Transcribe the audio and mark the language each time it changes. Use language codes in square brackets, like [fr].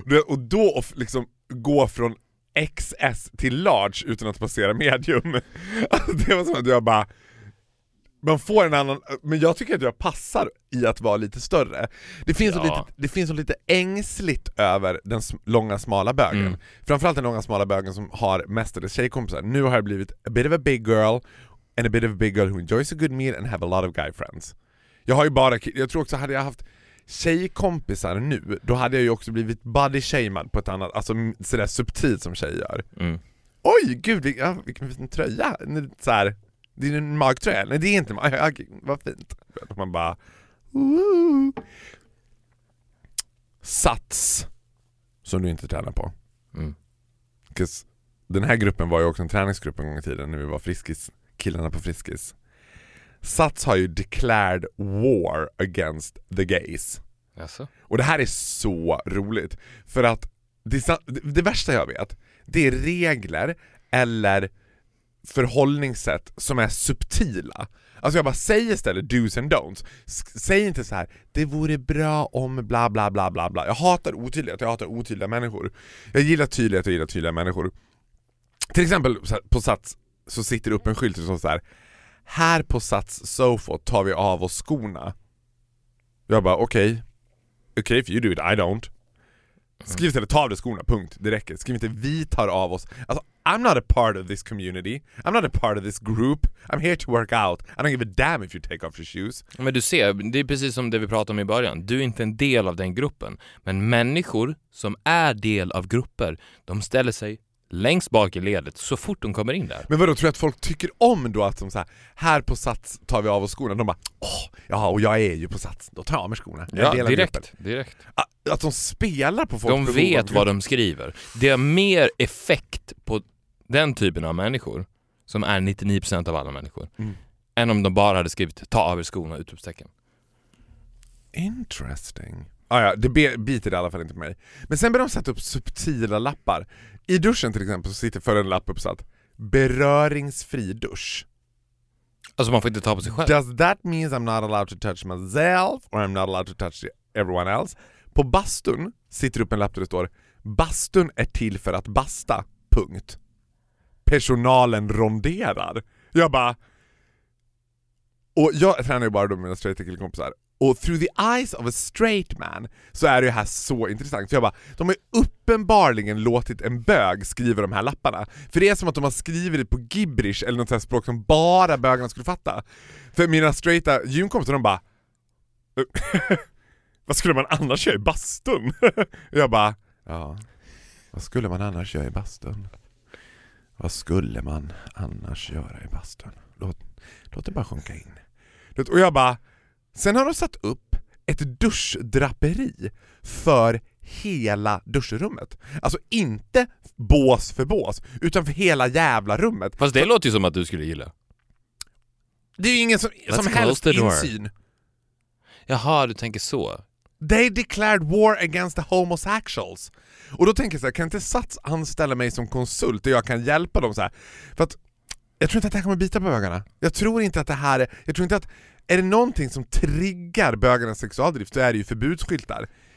[sv] Och då liksom gå från XS till large utan att passera medium. Alltså det var som att jag bara... Man får en annan... Men jag tycker att jag passar i att vara lite större. Det finns, ja, det finns lite ängsligt över den långa, smala bögen. Mm. Framförallt den långa, smala bögen som har mest av dess tjejkompisar. Nu har jag blivit [en] a bit of a big girl and a bit of a big girl who enjoys a good meal and have a lot of guy friends. [sv] Jag har ju bara... Jag tror också, hade jag haft tjejkompisar nu, då hade jag ju också blivit body shamed på ett annat... Alltså sådär subtilt som tjejer gör. Mm. Oj, gud, vilken fin tröja. Så här... Det är en magtröja. Nej, det är inte mag. Vad fint. Man bara... Sats. Som du inte tränar på. Mm. Den här gruppen var ju också en träningsgrupp en gång i tiden. När vi var friskis. Killarna på friskis. Sats har ju [en] declared war against the gays. [sv] Jaså? Och det här är så roligt. För att det värsta jag vet. Det är regler. Eller... förhållningssätt som är subtila. Alltså jag bara säger istället [en] do's and don'ts. [sv] Säg inte så här, det vore bra om bla bla bla bla bla. Jag hatar otydlighet, jag hatar otydliga människor. Jag gillar tydlighet och gillar tydliga människor. Till exempel på Sats så sitter upp en skylt som så här: här på Sats sofa tar vi av oss skorna. Jag bara okej. Okay. [en] Okay, if you do it, I don't. [sv] Skriv istället, ta av dig skorna, punkt. Det räcker. Skriv inte, vi tar av oss. [en] Alltså, I'm not a part of this community. I'm not a part of this group. I'm here to work out. I don't give a damn if you take off your shoes. [sv] Men du ser, det är precis som det vi pratade om i början. Du är inte en del av den gruppen. Men människor som är del av grupper, de ställer sig längst bak i ledet så fort de kommer in där. Men vadå, tror jag att folk tycker om då att de så här på Sats tar vi av oss skorna? De bara, åh, ja, och jag är ju på Sats. Då tar jag av mig skorna. Ja, direkt. Att de spelar på folk. De vet vad de skriver. Det har mer effekt på den typen av människor som är 99% av alla människor än om de bara hade skrivit ta av er skorna, utropstecken. Interesting. Ah, ja, det biter i alla fall inte mig. Men sen började de sätta upp subtila lappar. I duschen till exempel så sitter för en lapp uppsatt. Beröringsfri dusch. Alltså man får inte ta på sig själv. [en] Does that means I'm not allowed to touch myself or I'm not allowed to touch everyone else? [sv] På bastun sitter upp en lapp där det står bastun är till för att basta, punkt. Personalen ronderar. Jag bara... Och jag tränar ju bara då med mina straighta killkompisar. Och [en] through the eyes of a straight man [sv] så är det här så intressant. För jag bara, de har ju uppenbarligen låtit en bög skriva de här lapparna. För det är som att de har skrivit det på gibberish eller något sånt här språk som bara bögarna skulle fatta. För mina straighta gymkompisar, de bara... Vad skulle man annars göra i bastun? Jag bara, ja. Vad skulle man annars göra i bastun? Vad skulle man annars göra i bastun? Låt det bara sjunka in. Och jag bara, sen har de satt upp ett duschdraperi för hela duschrummet. Alltså inte bås för bås, utan för hela jävla rummet. Fast det låter ju som att du skulle gilla. Det är ju ingen som helst insyn. Jaha, du tänker så. [en] They declared war against the homosexuals. [sv] Och då tänker jag så här, kan inte Sats anställa mig som konsult och jag kan hjälpa dem så här? För att jag tror inte att det här kommer bita på bögarna. Jag tror inte att det här är... Jag tror inte att... Är det någonting som triggar bögarnas sexualdrift, då är det ju förbudsskyltar.